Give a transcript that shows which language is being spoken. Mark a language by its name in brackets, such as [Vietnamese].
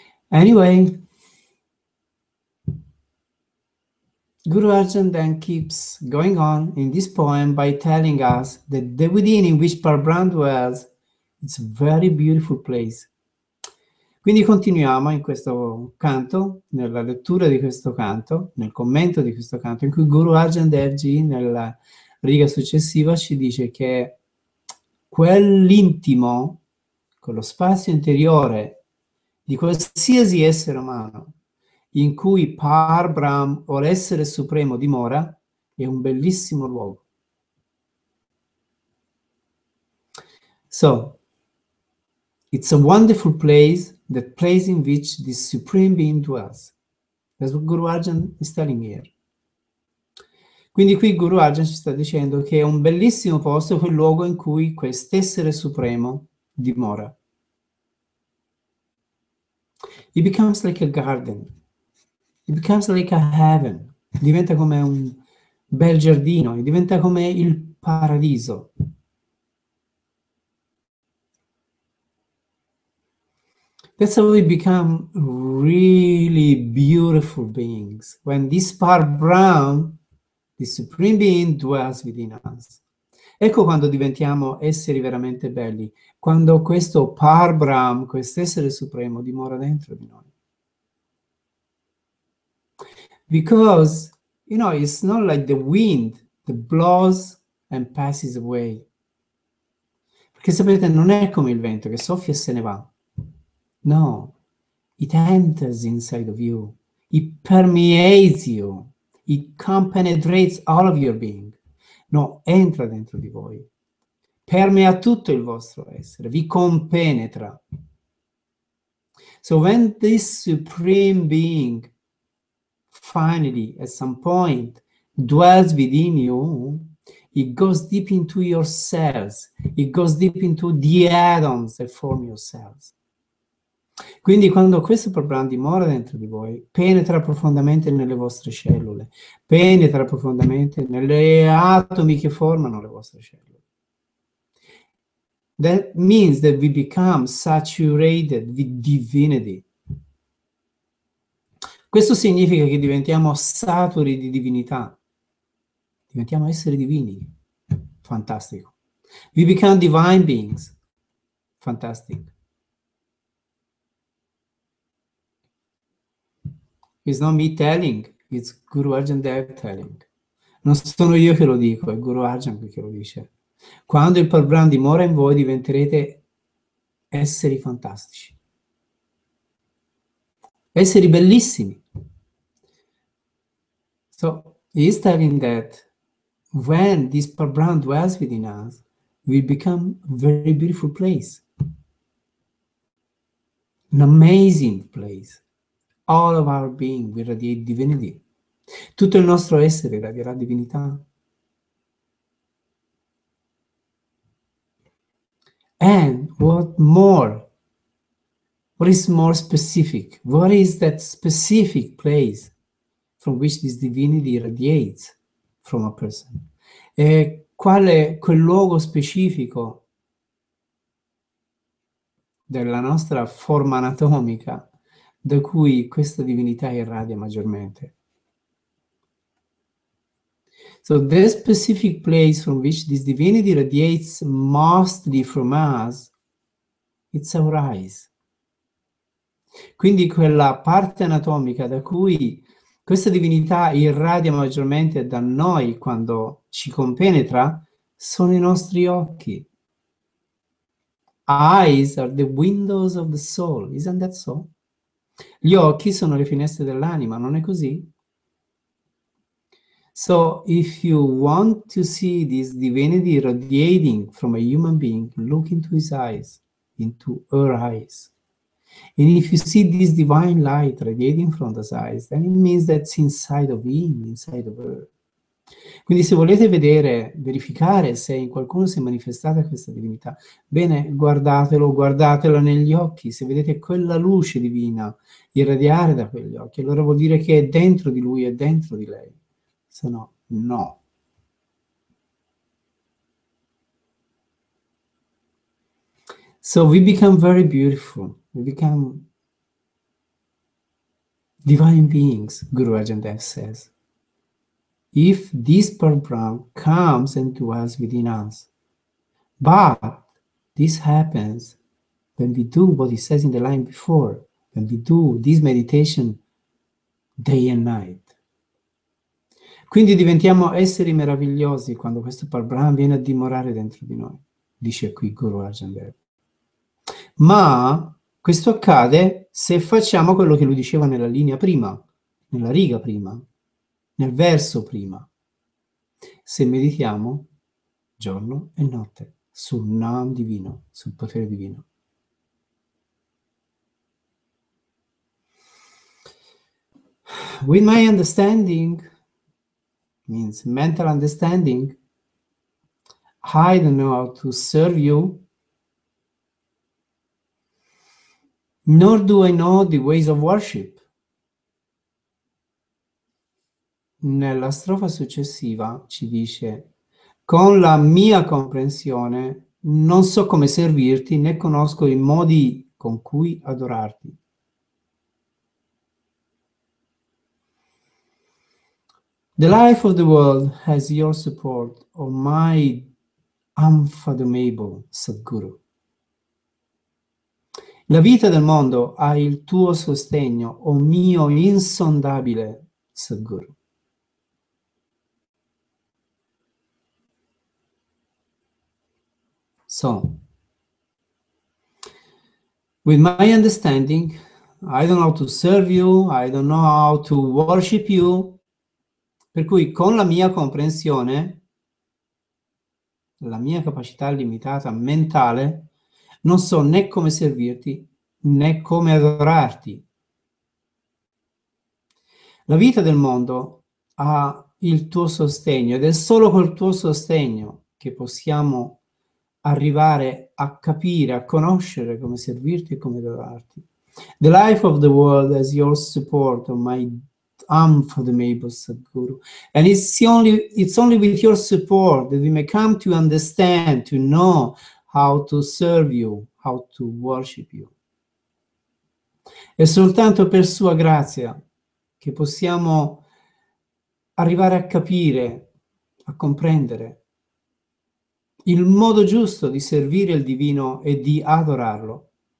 [English] Anyway, Guru Arjan then keeps going on in this poem by telling us that the within in which Parbrahma dwells is a very beautiful place. [Italian] Quindi continuiamo in questo canto, nella lettura di questo canto, nel commento di questo canto, in cui Guru Arjan Dev Ji, nella riga successiva, ci dice che quell'intimo, quello spazio interiore di qualsiasi essere umano, in cui Parbrahma o l'essere supremo dimora, è un bellissimo luogo. [English] So, it's a wonderful place, that place in which the Supreme Being dwells. That's what Guru Arjan is telling here. [Italian] Quindi qui Guru Arjan ci sta dicendo che è un bellissimo posto, quel luogo in cui quest'essere supremo dimora. [English] It becomes like a garden. It becomes like a heaven. [Italian] Diventa come un bel giardino. It diventa come il paradiso. [English] That's how we become really beautiful beings. When this Parbrahma, the Supreme Being, dwells within us. [Italian] Ecco quando diventiamo esseri veramente belli. Quando questo Parbrahma, quest'essere supremo, dimora dentro di noi. [English] Because, you know, it's not like the wind that blows and passes away. [Italian] Perché sapete, non è come il vento che soffia e se ne va. [English] No, it enters inside of you. It permeates you. It compenetrates all of your being. [Italian] No, entra dentro di voi. Permea tutto il vostro essere. Vi compenetra. [English] So when this supreme being finally, at some point, dwells within you, it goes deep into your cells. It goes deep into the atoms that form your cells. [Italian] Quindi quando questo Parbrahma dimora dentro di voi, penetra profondamente nelle vostre cellule, penetra profondamente nelle atomi che formano le vostre cellule. [English] That means that we become saturated with divinity. [Italian] Questo significa che diventiamo saturi di divinità. Diventiamo esseri divini. Fantastico. [English] We become divine beings. [Italian] Fantastico. [English] It's not me telling, it's Guru Arjan Dev telling. [Italian] Non sono io che lo dico, è Guru Arjan che lo dice. Quando il Parbrahma dimora in voi, diventerete esseri fantastici. Esseri bellissimi. [English] So, he's telling that when this Parbrahma dwells within us, we become a very beautiful place. An amazing place. All of our being will radiate divinity. [Italian] Tutto il nostro essere radierà divinità. [English] And what more? What is more specific? What is that specific place from which this divinity radiates from a person? [Italian] E qual è quel luogo specifico della nostra forma anatomica da cui questa divinità irradia maggiormente? [English] So, the specific place from which this divinity radiates mostly from us, it's our eyes. [Italian] Quindi quella parte anatomica da cui questa divinità irradia maggiormente da noi quando ci compenetra sono i nostri occhi. [English] Eyes are the windows of the soul, isn't that so? [Italian] Gli occhi sono le finestre dell'anima, non è così? [English] So if you want to see this divinity radiating from a human being, look into his eyes, into her eyes. And if you see this divine light radiating from the eyes, then it means that it's inside of him, inside of her. [Italian] Quindi se volete vedere, verificare se in qualcuno si è manifestata questa divinità, bene, guardatelo, guardatela negli occhi. Se vedete quella luce divina irradiare da quegli occhi, allora vuol dire che è dentro di lui, è dentro di lei. Se no, no. [English] So we become very beautiful. We become divine beings, Guru Arjan Dev says. If this Parabrahma comes into us within us, but this happens when we do what he says in the line before, when we do this meditation day and night. [Italian] Quindi diventiamo esseri meravigliosi quando questo Parabrahma viene a dimorare dentro di noi, dice qui Guru Arjan Dev. Ma questo accade se facciamo quello che lui diceva nella linea prima, nella riga prima, nel verso prima. Se meditiamo giorno e notte sul Naam divino, sul potere divino. [English] With my understanding, means mental understanding, I don't know how to serve you. Nor do I know the ways of worship. [Italian] Nella strofa successiva ci dice: con la mia comprensione non so come servirti né conosco i modi con cui adorarti. [English] The life of the world has your support, O my unfathomable Sadguru. [Italian] La vita del mondo ha il tuo sostegno, o mio insondabile Sadguru. [English] So, with my understanding, I don't know how to serve you, I don't know how to worship you, [Italian] per cui con la mia comprensione, la mia capacità limitata mentale, non so né come servirti, né come adorarti. La vita del mondo ha il tuo sostegno ed è solo col tuo sostegno che possiamo arrivare a capire, a conoscere come servirti e come adorarti. [English] The life of the world has your support, O my unfathomable Sadguru. And it's only with your support that we may come to understand, to know how to serve you, how to worship you. [Italian] È soltanto per sua grazia che possiamo arrivare a capire, a comprendere il modo giusto di servire il divino e di adorarlo.